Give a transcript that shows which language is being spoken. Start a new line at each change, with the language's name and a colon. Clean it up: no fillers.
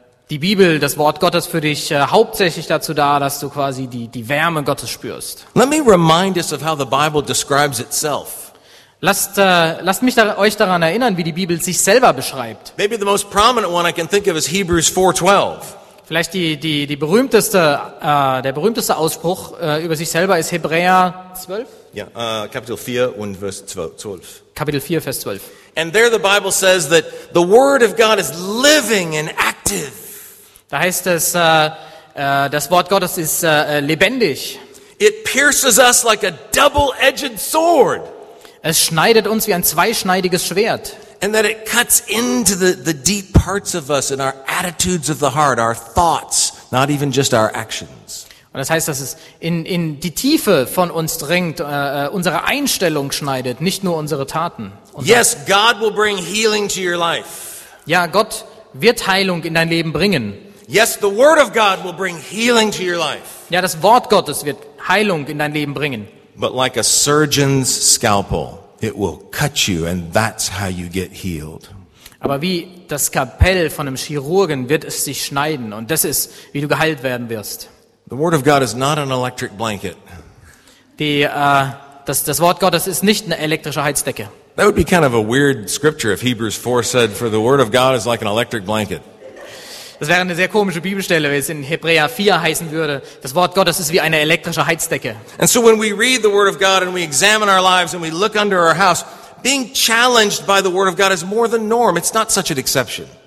German: Die Bibel, das Wort Gottes für dich hauptsächlich dazu da, dass du quasi die Wärme Gottes spürst.
English: Let me remind us of how the Bible describes itself.
German: Lasst mich euch daran erinnern, wie die Bibel sich selber beschreibt.
English: Maybe the most prominent one I can think of is Hebrews 4:12.
German: Vielleicht der berühmteste Ausspruch über sich selber ist Hebräer 12. Kapitel 4 und Vers 12. Kapitel 4 Vers 12.
English: And there the Bible says that the word of God is living and active.
German: Da heißt es, das Wort Gottes ist lebendig.
English: It pierces us like a double-edged sword.
German: Es schneidet uns wie ein zweischneidiges Schwert.
English: And that it cuts into the deep parts of us and our attitudes of the heart, our thoughts, not even just our actions.
German: Und das heißt, dass es in die Tiefe von uns dringt, unsere Einstellung schneidet, nicht nur unsere Taten.
English: Yes, God will bring healing to your life.
German: Ja, Gott wird Heilung in dein Leben bringen.
English: Yes, the word of God will bring healing to your life.
German: Ja, das Wort Gottes wird Heilung in dein Leben bringen.
English: But like a surgeon's scalpel, it will cut you, and that's how you get healed.
German: Aber wie das Skalpell von einem Chirurgen wird es dich schneiden, und das ist, wie du geheilt werden wirst.
English: The word of God is not an electric blanket.
German: Das Wort Gottes ist nicht eine elektrische Heizdecke.
English: That would be kind of a weird scripture if Hebrews 4 said, "For the word of God is like an electric blanket."
German: Das wäre eine sehr komische Bibelstelle, wenn es in Hebräer 4 heißen würde, das Wort Gottes ist wie eine elektrische Heizdecke.
English: And so when we read the word of God and we examine our lives and we look under our house, being challenged by the word of God is more the norm. It's not such an exception.